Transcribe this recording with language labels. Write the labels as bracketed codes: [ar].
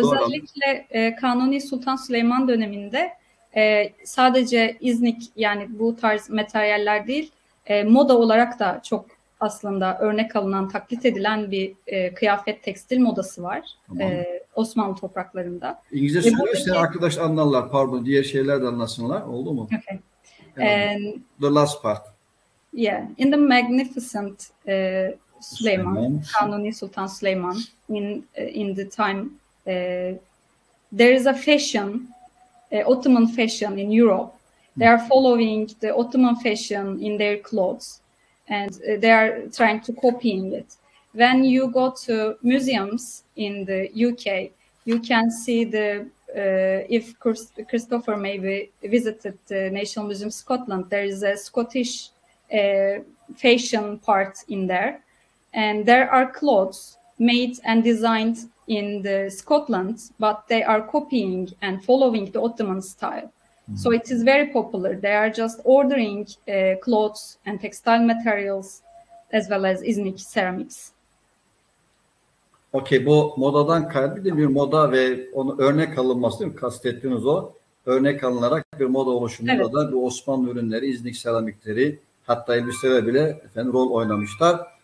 [tr] Özellikle Kanuni Sultan Süleyman döneminde sadece İznik, yani bu tarz materyaller değil, moda olarak da çok aslında örnek alınan, taklit edilen bir kıyafet tekstil modası var. Tamam. Osmanlı topraklarında. İngilizce söylüyorsa arkadaş anlarlar, pardon, diğer şeyler de anlasınlar. Oldu mu? [en] Okay. The last part. Yeah, in the magnificent Süleyman, Kanuni Sultan Süleyman, in the time, there is a fashion, Ottoman fashion in Europe. They are following the Ottoman fashion in their clothes, and they are trying to copying it. When you go to museums in the UK, you can see the if Christopher maybe visited the National Museum Scotland, there is a Scottish fashion part in there, and there are clothes made and designed in the Scotland, but they are copying and following the Ottoman style. So it is very popular. They are just ordering clothes and textile materials as well as Iznik ceramics. [tr] Okay, bu modadan kaybedin bir moda ve onu örnek alınması, değil mi? Kastettiğiniz o örnek alınarak bir moda oluşumunda, evet, da bu Osmanlı ürünleri, İznik seramikleri, hatta elbiseler bile efendim rol oynamışlar.